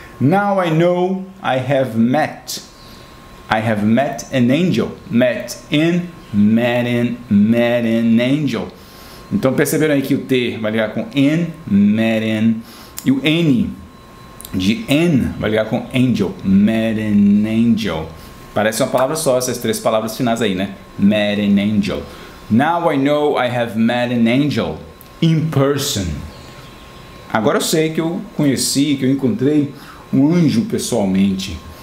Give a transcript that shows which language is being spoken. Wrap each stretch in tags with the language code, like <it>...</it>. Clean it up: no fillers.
<en>Now I know I have met an angel. Met an angel.</en> <pt>Então perceberam aí que o T vai ligar com in,</pt> <en>met in.</en> <pt>E o N de N vai ligar com angel,</pt> <en>met an angel.</en> <pt>Parece uma palavra só, essas três palavras finais aí, né?</pt> <en>Met an angel. Now I know I have met an angel in person.</en> <pt>Agora eu sei que eu conheci, que eu encontrei um anjo pessoalmente.</pt>